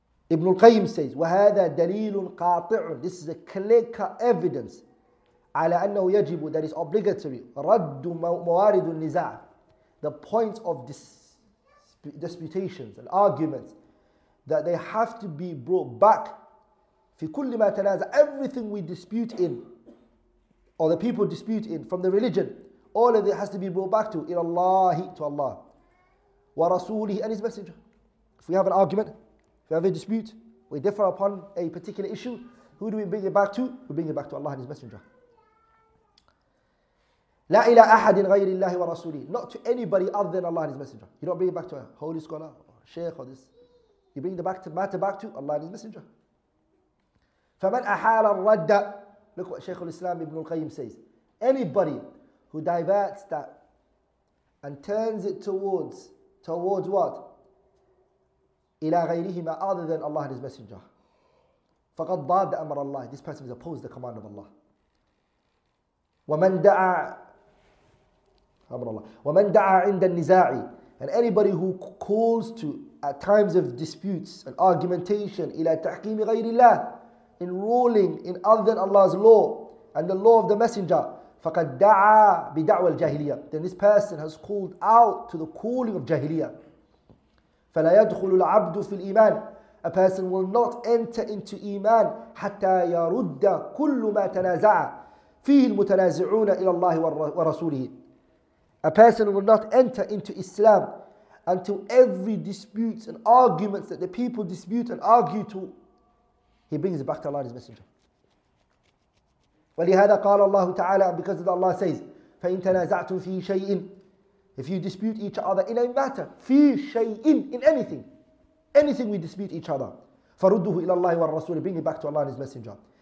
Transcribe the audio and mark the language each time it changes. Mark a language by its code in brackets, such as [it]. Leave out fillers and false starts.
[en] Ibn al-Qayyim says, [ar] وَهَذَا دَلِيلٌ قَاطِعٌ, [en] this is a clear-cut evidence, [ar] عَلَى أَنَّهُ يَجِبُ, [en] that is obligatory, [ar] رَدُّ مَوَارِدُ النِّزَاعِ, [en] the points of disputations and arguments, that they have to be brought back, [ar] فِي كُلِّ مَا تَنَازَ, [en] everything we dispute in, or the people dispute in, from the religion, all of it has to be brought back to [ar] إِلَى اللَّهِ, [en] to Allah. وَرَسُولِهِ, and His Messenger. If we have an argument, if we have a dispute, we differ upon a particular issue, Who do we bring it back to? We bring it back to Allah and His Messenger. [ar] لا إلى أحد غير الله ورسوله. [en] Not to anybody other than Allah and His Messenger. You don't bring it back to a holy scholar, or a sheikh, or this. You bring the matter back to Allah and His Messenger. [ar] فمن أحال الرد. [en] Look what Shaykh al-Islam Ibn al-Qayyim says. Anybody who diverts that and turns it towards what? [ar] إلى غيرهما [en] other than Allah and His Messenger. [ar] فقد ضاد أمر الله. [en] This person has opposed the command of Allah. [ar] ومن دعا أمر الله. ومن دعا عند النزاع. [en] And anybody who calls to at times of disputes and argumentation [ar] إلى تحكيم غير الله, [en] enrolling in other than Allah's law and the law of the Messenger, [ar] فقد دعا بدعوة الجاهلية. [en] Then this person has called out to the calling of جاهلية. [ar] فلا يدخل العبد في الإيمان. [en] A person will not enter into Iman [ar] حتى يرد كل ما تنازع فيه المتنازعون إلى الله ورسوله. [en] A person will not enter into Islam until every disputes and arguments that the people dispute and argue to, he brings it back to Allah and His Messenger. [ar] ولهذا قال الله تعالى, [en] because of that Allah says, [ar] فَإِن تَنَازَعْتُمْ فِي شَيْءٍ, [en] if you dispute each other in a matter, [ar] في شَيْءٍ, [en] in anything, anything we dispute each other, [ar] فَرُدُّهُ إِلَى اللَّهِ وَالرَّسُولِ, [en] bring it back to Allah and His Messenger.